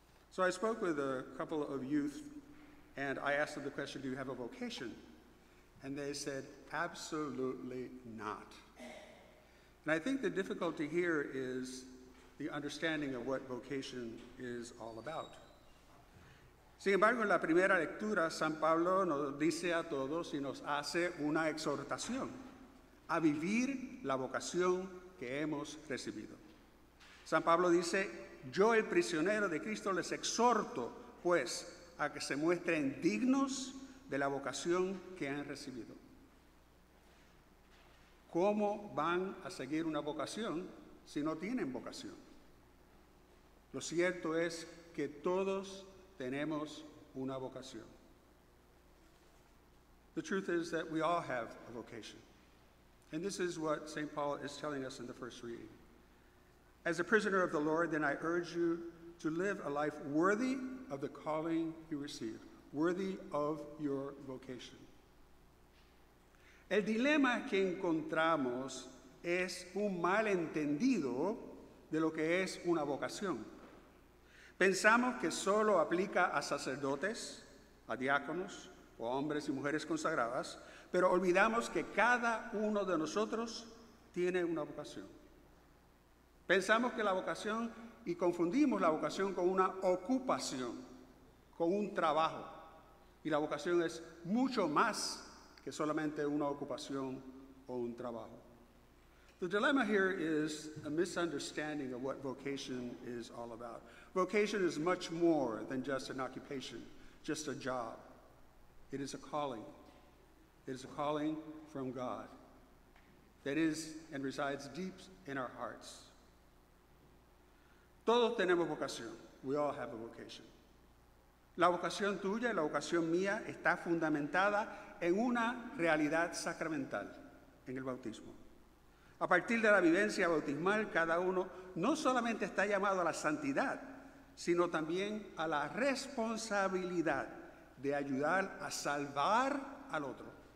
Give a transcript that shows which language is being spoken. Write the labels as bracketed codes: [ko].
[en] So I spoke with a couple of youth and I asked them the question, do you have a vocation? And they said, absolutely not. And I think the difficulty here is the understanding of what vocation is all about. [es] Sin embargo, en la primera lectura, San Pablo nos dice a todos y nos hace una exhortación a vivir la vocación que hemos recibido. San Pablo dice, yo, el prisionero de Cristo, les exhorto, pues, a que se muestren dignos de la vocación que han recibido. ¿Cómo van a seguir una vocación si no tienen vocación? Lo cierto es que todos tenemos una vocación. [en] The truth is that we all have a vocation. And this is what St. Paul is telling us in the first reading. As a prisoner of the Lord, then I urge you to live a life worthy of the calling you receive, worthy of your vocation. [es] El dilema que encontramos es un malentendido de lo que es una vocación. Pensamos que solo aplica a sacerdotes, a diáconos, o a hombres y mujeres consagradas, pero olvidamos que cada uno de nosotros tiene una vocación. Pensamos que la vocación, y confundimos la vocación con una ocupación, con un trabajo, y la vocación es mucho más que solamente una ocupación o un trabajo. [en] The dilemma here is a misunderstanding of what vocation is all about. Vocation is much more than just an occupation, just a job. It is a calling. It is a calling from God that is and resides deep in our hearts. [es] Todos tenemos vocación. [en] We all have a vocation. [es] La vocación tuya y la vocación mía está fundamentada en una realidad sacramental, en el bautismo. A partir de la vivencia bautismal, cada uno no solamente está llamado a la santidad, sino también a la responsabilidad de ayudar a salvar al otro.